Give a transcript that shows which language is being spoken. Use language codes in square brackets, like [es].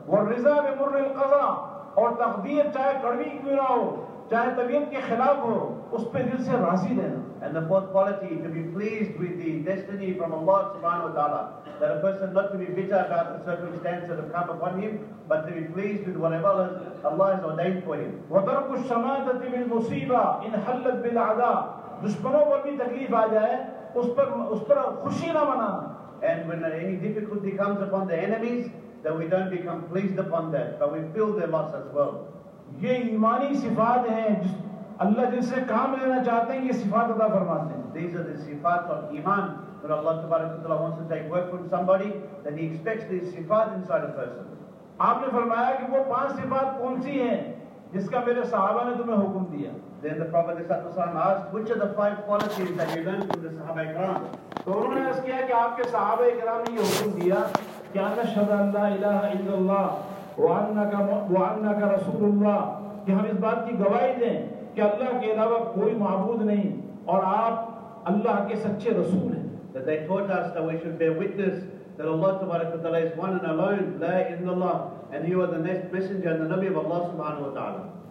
[ar] Wa riza bi murr al qaza, [hi] aur taqdeer chahe kadvi kyun na ho, चाहे तबीयत के खिलाफ हो, उस पे दिल से राजी रहना. [en] And the fourth quality to be pleased with the destiny from Allah Subhanahu Wa Taala, that a person not to be bitter about the circumstances that have come upon him, but to be pleased with whatever Allah has ordained for him. [ar] وَتَرْكُ الشَّمَاتَةِ بِالْمُصِيبَةِ إِنْ حَلَّتْ بِالْعَدَى. [hi] दुश्मनों पर भी तकलीफ आ जाए, उस पर खुशी ना मनाना. [en] And when any difficulty comes upon the enemies, then we don't become pleased upon that, but we feel their loss as well. [hi] ये ईमानी सिफात हैं जिस अल्लाह जिनसे काम लेना चाहते हैं, ये सिफात अदा फरमाते हैं. [en] These are the sifat of iman that Allah Tabarak wa Taala wants to take work from somebody, that he expects these sifat inside a person. [hi] आपने फरमाया कि वो पांच सिफात कौन सी हैं जिसका मेरे सहाबा ने तुम्हें हुक्म दिया. [en] Then the Prophet sallallahu alaihi wasallam asked, which are the five qualities that you learned from the sahaba ikram? [hi] तो उन्होंने अर्ज किया कि आपके सहाबा इकराम ने ये हुक्म दिया कि [ar] अशहदु अन ला इलाहा इल्लल्लाह वो अन्ना का रसूलुल्लाह, [hi] कि हम इस बात की गवाही दें कि अल्लाह के अलावा कोई माबूद नहीं और आप अल्लाह के सच्चे रसूल हैं. [en] That they taught us that we should bear witness that Allah Tabarak wa Taala is one and alone, la illallah, and you are the next messenger and the Nabi of Allah Subhanahu wa Taala.